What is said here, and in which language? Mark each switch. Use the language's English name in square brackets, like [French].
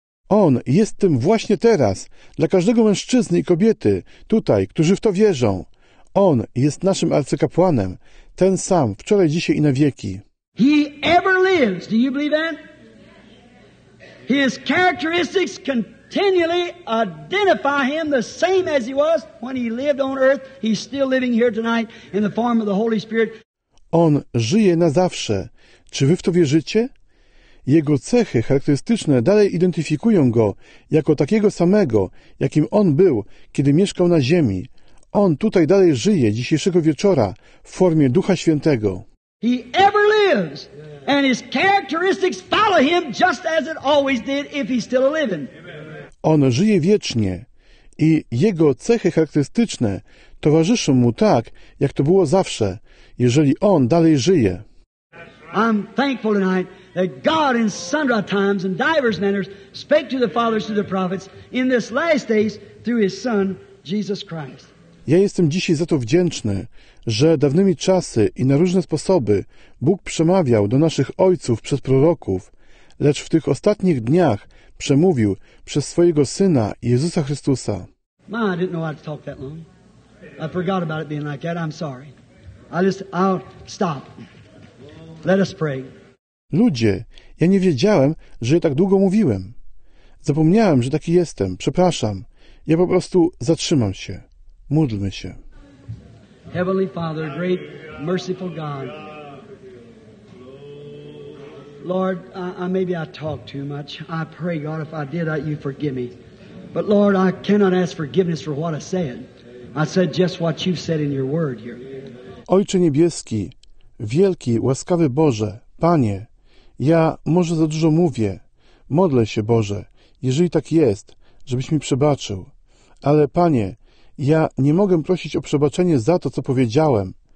[Polish] On jest tym właśnie teraz, dla każdego mężczyzny i kobiety tutaj, którzy w to wierzą. On jest naszym arcykapłanem, ten sam, wczoraj, dzisiaj i na wieki. [English] He ever lives. Do you believe that? His characteristics continually identify him the same as he was when he lived on earth. He's still living here tonight in the form of the Holy Spirit. [Polish] On żyje na zawsze. Czy wy w to wierzycie? Jego cechy charakterystyczne dalej identyfikują go jako takiego samego, jakim on był, kiedy mieszkał na ziemi. On tutaj dalej żyje dzisiejszego wieczora w formie Ducha Świętego. [English] He ever lives, and his characteristics follow him just as it always did if he's still living. [Polish] On żyje wiecznie i jego cechy charakterystyczne towarzyszą mu tak, jak to było zawsze, jeżeli on dalej żyje. [English] I'm thankful tonight that God in sundry times and divers manners spake to the fathers through the prophets in this last days through his Son, Jesus Christ. [Polish] Ja jestem dzisiaj za to wdzięczny, że dawnymi czasy i na różne sposoby Bóg przemawiał do naszych ojców przez proroków, lecz w tych ostatnich dniach przemówił przez swojego Syna, Jezusa Chrystusa. [English] I didn't know how to talk that long. I forgot about it being like that. I'm sorry. I'll stop. Let us pray. [Polish] Ludzie, ja nie wiedziałem, że tak długo mówiłem. Zapomniałem, że taki jestem. Przepraszam. Ja po prostu zatrzymam się. Módlmy się. [English] Heavenly Father, great merciful God. Lord, maybe I talk too much. I pray, God, if I did, that you forgive me. But Lord, I cannot ask forgiveness for what I said. I said just what you've said in your word here. [Polish] Ojcze niebieski, wielki, łaskawy Boże, Panie, ja może za dużo mówię. Modlę się, Boże, jeżeli tak jest, żebyś mi przebaczył. Ale, Panie, ja nie mogę prosić o przebaczenie za to, co powiedziałem.